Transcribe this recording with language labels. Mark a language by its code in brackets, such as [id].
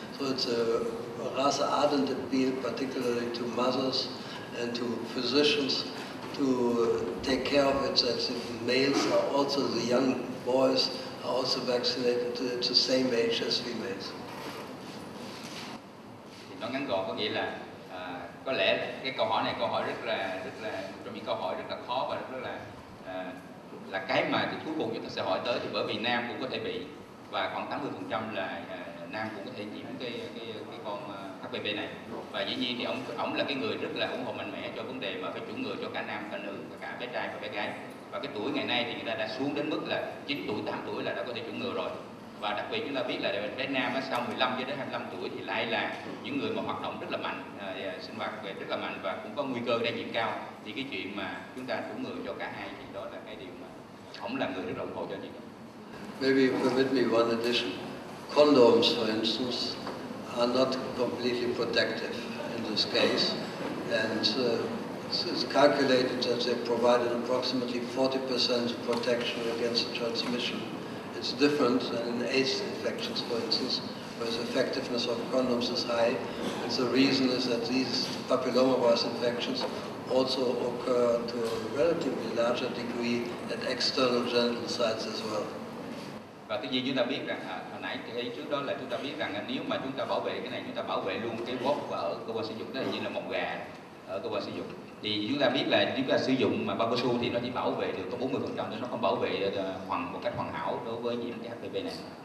[en] So it's a rather ardent appeal, particularly to mothers and to physicians, to take care of it, that the males are also, the young boys are also vaccinated at the same age as females. [vi] Nói ngắn gọn có nghĩa là có lẽ cái câu hỏi này câu hỏi rất là trong những câu hỏi rất là khó và rất là là cái mà thì cuối cùng chúng ta sẽ hỏi tới, thì bởi vì nam cũng có thể bị và khoảng 80% là nam cũng có thể nhiễm cái con HPV này. Và dĩ nhiên thì ông là cái người rất là ủng hộ mạnh mẽ cho vấn đề mà phải chủng ngừa cho cả nam cả nữ và cả bé trai và bé gái. Và cái tuổi ngày nay thì người ta đã xuống đến mức là 9 tuổi 8 tuổi là đã có thể chủng ngừa rồi. Và đặc biệt chúng ta biết là bé nam sau 15 cho đến 25 tuổi thì lại là những người mà hoạt động rất là mạnh, sinh hoạt về rất là mạnh và cũng có nguy cơ lây nhiễm cao. Thì cái chuyện mà chúng ta chủng ngừa cho cả hai thì đó là cái điều mà ông là người rất ủng hộ cho chị. [en] Maybe you permit me one addition. Condoms, for instance, are not completely protective in this case, and it's calculated that they provided approximately 40% protection against transmission. It's different than in AIDS infections, for instance, where the effectiveness of condoms is high. And the reason is that these papillomavirus infections also occur to a relatively larger degree at external genital sites as well. [vi] Và tuy nhiên chúng ta biết rằng hồi nãy ấy trước đó là chúng ta biết rằng nếu mà chúng ta bảo vệ cái này, chúng ta bảo vệ luôn cái gốc và ở cơ quan sử dụng, đó là như là mọc gà ở cơ quan sử dụng, thì chúng ta biết là chúng ta sử dụng mà bao cao su thì nó chỉ bảo vệ được có 40%, nó không bảo vệ một cách hoàn hảo đối với nhiễm cái HPV này.